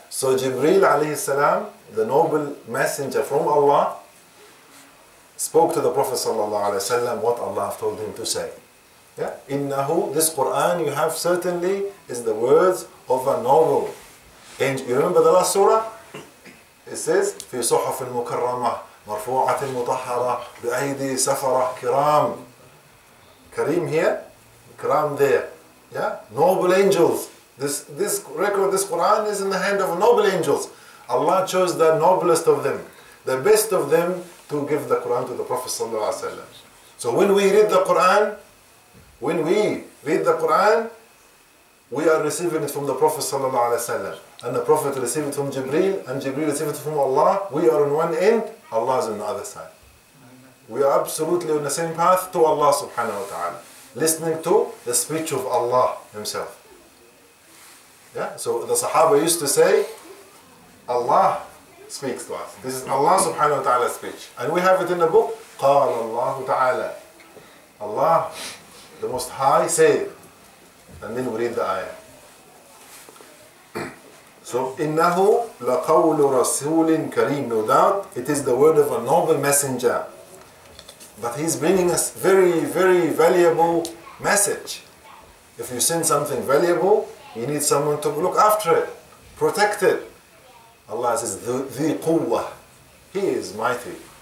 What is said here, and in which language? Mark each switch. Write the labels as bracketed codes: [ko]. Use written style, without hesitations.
[en] So Jibreel alayhi salam, the noble messenger from Allah, spoke to the Prophet sallallahu alayhi wasallam what Allah told him to say. Yeah, innahu, this Quran you have certainly is the words of a noble angel. You remember the last surah? It says, [ar] في صحف المكرمة مرفوعة المطهرة بأيدي سفرة كرام. [en] Kareem here, Karam there. Yeah? Noble angels. This record, this Quran is in the hand of noble angels. Allah chose the noblest of them, the best of them, to give the Quran to the Prophet sallallahu alaihi wasallam. So when we read the Quran, we are receiving it from the Prophet sallallahu alaihi wasallam, and the Prophet received it from Jibreel, and Jibreel received it from Allah. We are on one end, Allah is on the other side. We are absolutely on the same path to Allah subhanahu wa ta'ala, listening to the speech of Allah himself. Yeah. So the Sahaba used to say, Allah speaks to us. This is Allah subhanahu wa ta'ala's speech. And we have it in the book, [ar] قال الله تعالى. [en] Allah, the Most High, say it. And then we read the ayah. So, [ar] إنه لقول رسول كريم. [en] No doubt, it is the word of a noble messenger. But he's bringing us very, very valuable message. If you send something valuable, you need someone to look after it, protect it. Allah says, [ar] ذي قوة. [en] He is mighty.